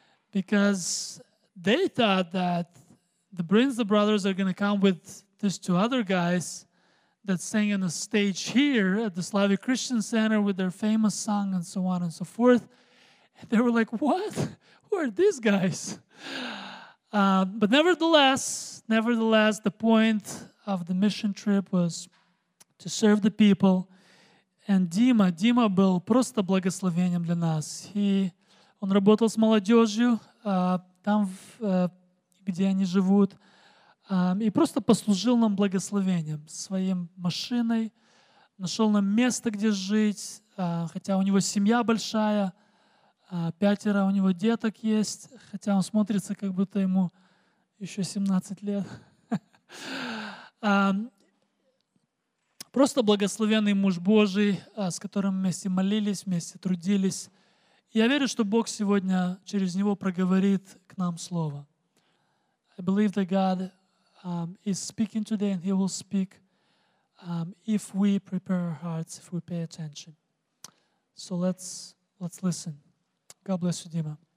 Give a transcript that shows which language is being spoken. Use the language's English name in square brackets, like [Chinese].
[English] Because they thought that the Brinza brothers are going to come with these two other guys that sang on the stage here at the Slavic Christian Center with their famous song and so on and so forth. And they were like, what? who are these guys? But nevertheless, the point of the mission trip was to serve the people. [Russian] And Дима был просто благословением для нас. Он работал с молодежью там, где они живут, и просто послужил нам благословением своим машиной, нашел нам место, где жить, хотя у него семья большая, пятеро у него деток есть, хотя он смотрится, как будто ему еще 17 лет. Просто благословенный муж Божий, с которым вместе молились, вместе трудились. Я верю, что Бог сегодня через него проговорит к нам слово. [English] I believe that God is speaking today and he will speak if we prepare our hearts, if we pay attention. So let's listen. God bless you, Дима.